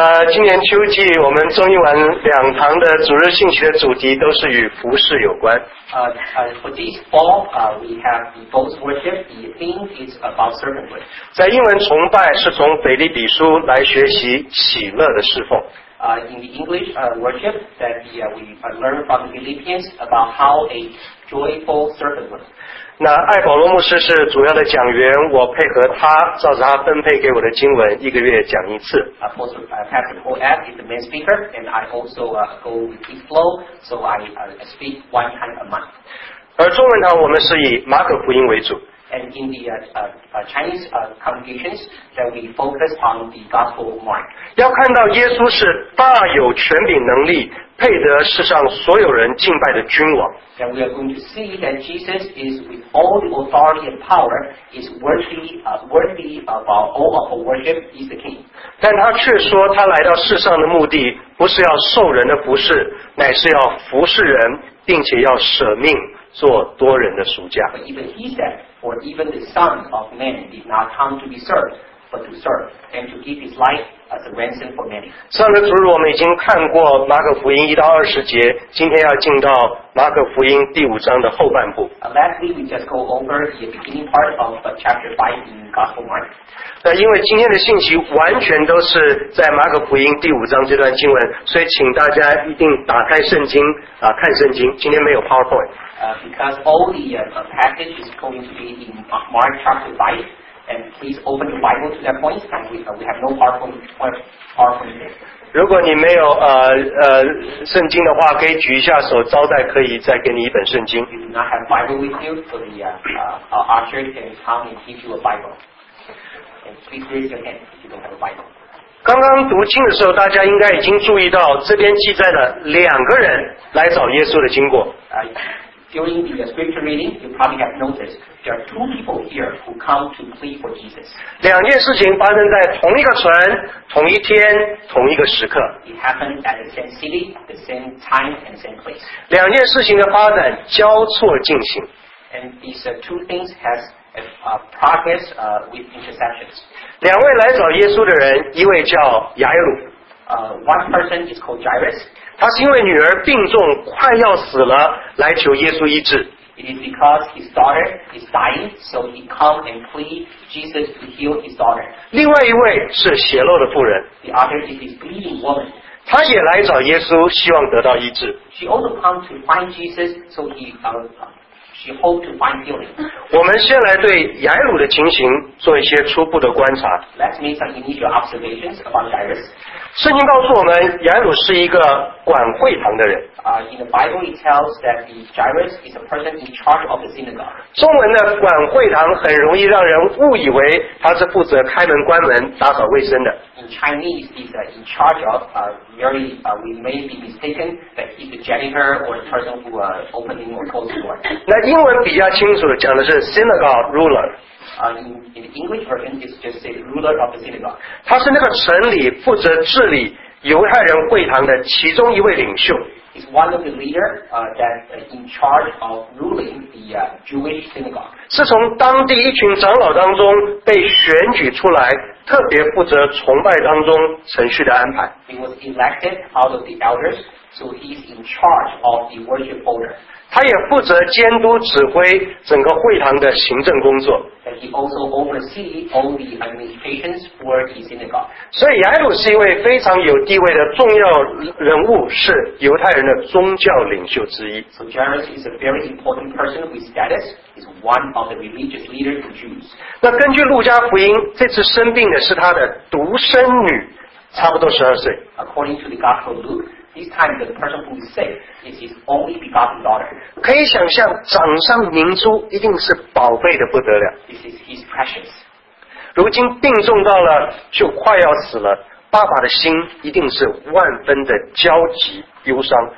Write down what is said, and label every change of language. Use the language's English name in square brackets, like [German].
[Chinese] 今年秋季我们终于完两堂的主日信息的主题都是与服事有关。 [English] For this fall, we have the both worship. The theme is about servanthood. [Chinese] 在英文崇拜是从腓立比书来学习喜乐的侍奉。 [English] In the English worship, that we learn from the Philippians about how a joyful servanthood. [Chinese] 那艾保罗牧师是主要的讲员，我配合他，照着他分配给我的经文，一个月讲一次。 [English] Pastor Paul Abb is the main speaker, and I also go with his flow, so I speak one time a month. [Chinese] 而中文堂我们是以马可福音为主。 [English] And in the Chinese congregations, that we focus on the Gospel of Mark. [Chinese] 要看到耶稣是大有权柄能力，配得世上所有人敬拜的君王。 [English] And we are going to see that Jesus is with all the authority and power, is worthy of all of our worship, is the King. [Chinese] 但他却说他来到世上的目的不是要受人的服侍，乃是要服侍人，并且要舍命做多人的赎价。 [English] But even he said, for even the Son of Man did not come to be served. But to serve and to give his life as a ransom for many. [Chinese] 上个主日我们已经看过马可福音一到二十节，今天要进到马可福音第五章的后半部。 [English] Last week we just go over the beginning part of chapter 5 in Gospel Mark. [Chinese] 那因为今天的信息完全都是在马可福音第五章这段经文，所以请大家一定打开圣经啊，看圣经。今天没有 PowerPoint. [English] Because all the passage is going to be in Mark chapter 5. And please open the Bible to that point. And we have no PowerPoint today. [Chinese] 如果你没有圣经的话，可以举一下手，招待可以再给你一本圣经。 [English] If you do not have Bible with you, so the usher can come and give you a Bible. And please raise your hand if you don't have a Bible. [Chinese] 刚刚读经的时候，大家应该已经注意到这边记载了两个人来找耶稣的经过。 [English] During the scripture reading, you probably have noticed. There are two people here who come to plead for Jesus. [Chinese] 两件事情发生在同一个船、同一天、同一个时刻。 [English] It happened at the same city, the same time, and the same place. [Chinese] 两件事情的发展交错进行。 [English] And these two things has a progress with intersections. [Chinese] 两位来找耶稣的人，一位叫雅鲁。 [English] One person is called Jairus. [Chinese] 他是因为女儿病重快要死了，来求耶稣医治。 [English] It is because his daughter is dying, so he come and plead Jesus to heal his daughter. [Chinese] 另外一位是血漏的妇人。 [English] The other is his bleeding woman. [Chinese] 她也来找耶稣，希望得到医治。 [English] She also come to find Jesus, so she hope to find healing. [Chinese] 我们先来对雅鲁的情形做一些初步的观察。 [English] Let's make some initial observations about Jairus. [Chinese] 圣经告诉我们，雅鲁是一个管会堂的人。 [English] In the Bible, it tells that the Jairus is a person in charge of the synagogue. [Chinese] 中文的管会堂很容易让人误以为他是负责开门关门、打扫卫生的。 [English] In Chinese, he's in charge of. Merely, we may be mistaken that he's a janitor or a person who opening or closing door. [Chinese] 那英文比较清楚，讲的是 synagogue ruler. [English] In the English version, it's just a ruler of the synagogue. [Chinese] 他是那个城里负责治理犹太人会堂的其中一位领袖。 [English] Is one of the leaders that's in charge of ruling the Jewish synagogue. [Chinese] 是从当地一群长老当中被选举出来，特别负责崇拜当中程序的安排。 [English] He was elected out of the elders, so he's in charge of the worship order. [Chinese] 他也负责监督指挥整个会堂的行政工作。 [English] He also oversees all the administration's work in synagogue. [Chinese] 所以雅鲁是一位非常有地位的重要人物，是犹太人的宗教领袖之一。 [English] So Jairus is a very important person with status. He's one of the religious leaders of Jews. [Chinese] 那根据路加福音，这次生病的是他的独生女，差不多十二岁。 [English] According to the Gospel of Luke. This time, the person who is sick is his only begotten daughter. [Chinese] 可以想象，掌上明珠一定是宝贝的不得了。 [English] This is his precious. [Chinese] 如今病重到了就快要死了，爸爸的心一定是万分的焦急忧伤。